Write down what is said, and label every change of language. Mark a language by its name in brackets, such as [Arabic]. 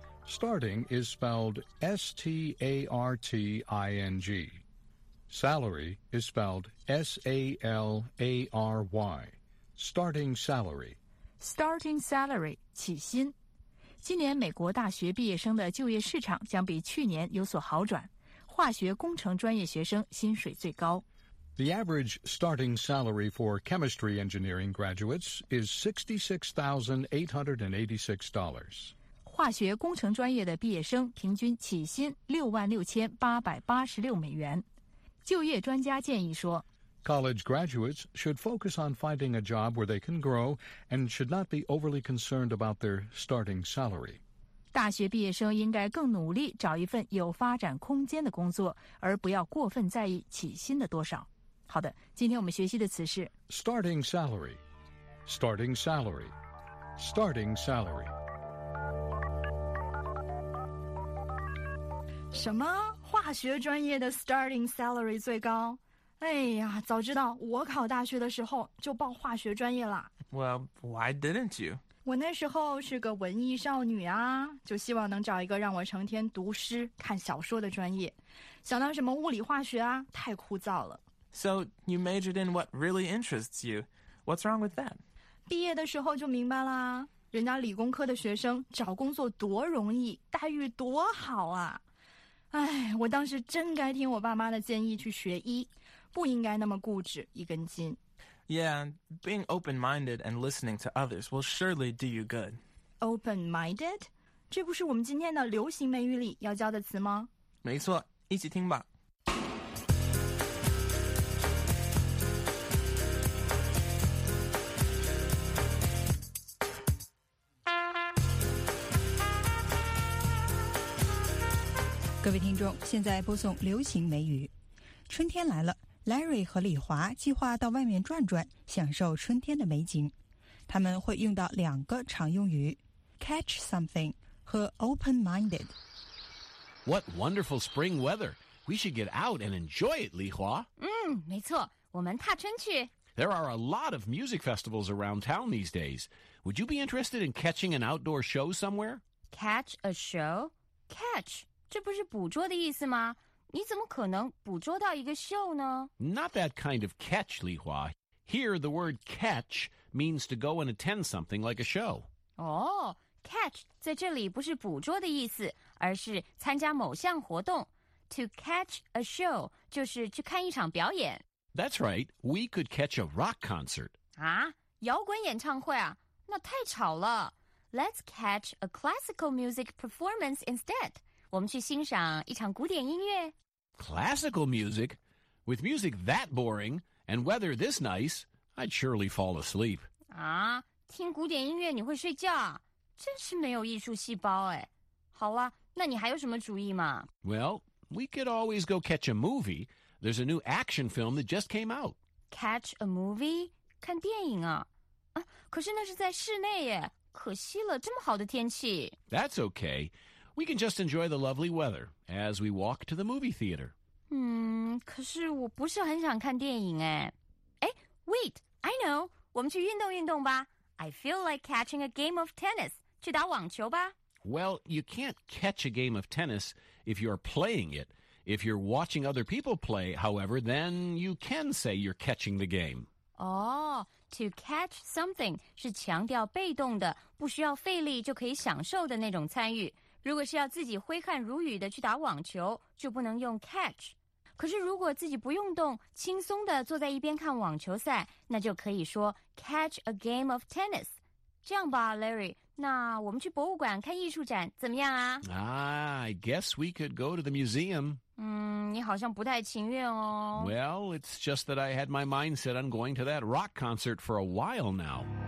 [English] Starting is spelled S-T-A-R-T-I-N-G. Salary is spelled S-A-L-A-R-Y. Starting salary. Starting salary, [Chinese] 起薪。今年美国大学毕业生的就业市场将比去年有所好转，化学工程专业学生薪水最高。 [English] The average starting salary for chemistry engineering graduates is $66,886. [Chinese] 化学工程专业的毕业生平均起薪$66,886。就业专家建议说， [English] College graduates should focus on finding a job where they can grow and should not be overly concerned about their starting salary. [Chinese] 大学毕业生应该更努力找一份有发展空间的工作，而不要过分在意起薪的多少。好的，今天我们学习的词是 [English] starting salary, starting salary, starting salary. [Chinese] 什么？化学专业的 [English] starting salary [Chinese] 最高？哎呀，早知道我考大学的时候就报化学专业了。 [English] Well, why didn't you? [Chinese] 我那时候是个文艺少女啊，就希望能找一个让我成天读诗看小说的专业。想到什么物理化学啊，太枯燥了。 [English] So, you majored in what really interests you. What's wrong with that? [Chinese] 毕业的时候就明白啦，人家理工科的学生找工作多容易，待遇多好啊。哎，我当时真该听我爸妈的建议去学医，不应该那么固执一根筋。 [English] Yeah, being open-minded and listening to others will surely do you good. Open-minded? [Chinese] 这不是我们今天的流行美语里要教的词吗？没错，一起听吧。各位听众，现在播送流行美语。春天来了，Larry 和李华计划到外面转转，享受春天的美景。他们会用到两个常用语 [English] catch something [Chinese] 和 open-minded。 [English] What wonderful spring weather. We should get out and enjoy it, 李华。 [Chinese] 嗯，没错，我们踏春去。 [English] There are a lot of music festivals around town these days. Would you be interested in catching an outdoor show somewhere? Catch a show? [Chinese] Catch, 这不是捕捉的意思吗？你怎么可能捕捉到一个秀呢？ [English] Not that kind of catch, Li Hua. Here, the word catch means to go and attend something like a show. [Chinese] Oh, catch 在这里不是捕捉的意思，而是参加某项活动。 [English] To catch a show [Chinese] 就是去看一场表演。 [English] That's right. We could catch a rock concert. [Chinese] 啊，摇滚演唱会啊？那太吵了。 [English] Let's catch a classical music performance instead. [Chinese] 我们去欣赏一场古典音乐。 [English] Classical music? With music that boring, and weather this nice, I'd surely fall asleep. [Chinese] 啊，听古典音乐你会睡觉啊？真是没有艺术细胞哎。好啊，那你还有什么主意吗？ [English] Well, we could always go catch a movie. There's a new action film that just came out. Catch a movie? [Chinese] 看电影啊？啊，可是那是在室内耶，可惜了，这么好的天气。 [English] That's okay. We can just enjoy the lovely weather as we walk to the movie theater. [Chinese] 可是我不是很想看电影哎。哎 , [English] wait, I know, [Chinese] 我们去运动运动吧。 [English] I feel like catching a game of tennis, [Chinese] 去打网球吧。 [English] Well, you can't catch a game of tennis if you're playing it. If you're watching other people play, however, then you can say you're catching the game. Oh, to catch something [Chinese] 是强调被动的，不需要费力就可以享受的那种参与。如果是要自己挥汗如雨的去打网球，就不能用 catch。可是如果自己不用动，轻松的坐在一边看网球赛，那就可以说 [English] catch a game of tennis。 [Chinese] 这样吧 ，Larry， 那我们去博物馆看艺术展怎么样啊 [English] ？I guess we could go to the museum. [Chinese] 嗯，你好像不太情愿哦。 [English] Well, it's just that I had my mind set on going to that rock concert for a while now.